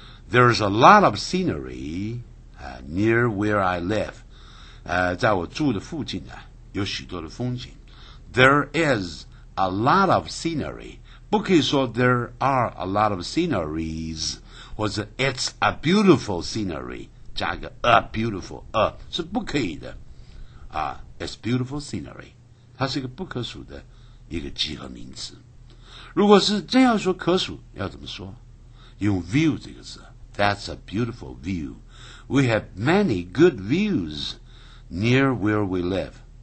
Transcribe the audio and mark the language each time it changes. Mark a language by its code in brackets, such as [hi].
[en] There's a lot of scenery near where I live. [zh] 在我住的附近呢，有许多的风景。 [en] There is a lot of scenery. [zh] 不可以说 [en] there are a lot of sceneries, [zh] 或者 [en] it's a beautiful scenery, [zh] 加个 [en] a beautiful, a [zh] 是不可以的。 [en] It's beautiful scenery. [zh] 它是一个不可数的一个集合名词。如果是真要说可数，要怎么说？ [en] 用 view [zh] 这个词。 [en] That's a beautiful view. We have many good views near where we live.